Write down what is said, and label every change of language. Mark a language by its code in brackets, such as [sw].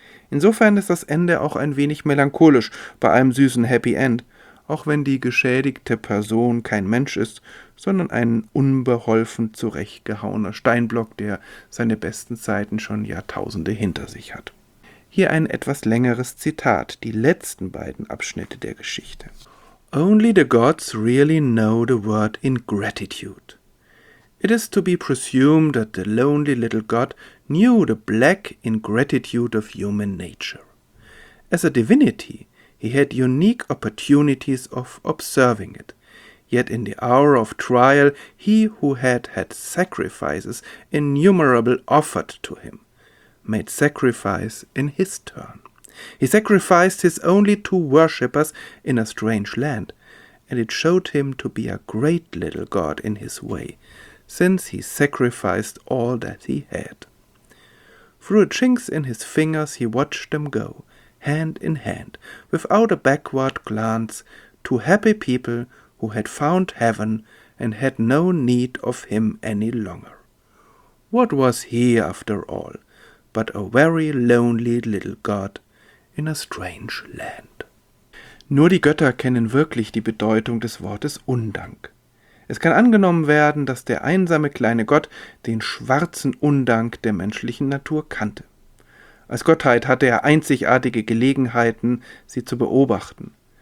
[de] Insofern ist das Ende auch ein wenig melancholisch, bei einem süßen Happy End, auch wenn die geschädigte Person kein Mensch ist, sondern ein unbeholfen zurechtgehauener Steinblock, der seine besten Zeiten schon Jahrtausende hinter sich hat. Hier ein etwas längeres Zitat, die letzten beiden Abschnitte der Geschichte. [en] Only the gods really know the word ingratitude. It is to be presumed that the lonely little god knew the black ingratitude of human nature. As a divinity, he had unique opportunities of observing it. Yet in the hour of trial, he who had had sacrifices innumerable offered to him, made sacrifice in his turn. He sacrificed his only two worshippers in a strange land, and it showed him to be a great little god in his way, since he sacrificed all that he had. Through a chinks in his fingers he watched them go, hand in hand, without a backward glance, to happy people who had found heaven and had no need of him any longer. What was he, after all, but a very lonely little god in a strange land? [de] Nur die Götter kennen wirklich die Bedeutung des Wortes Undank. Es kann angenommen werden, dass der einsame kleine Gott den schwarzen Undank der menschlichen Natur kannte. Als Gottheit hatte er einzigartige Gelegenheiten, sie zu beobachten.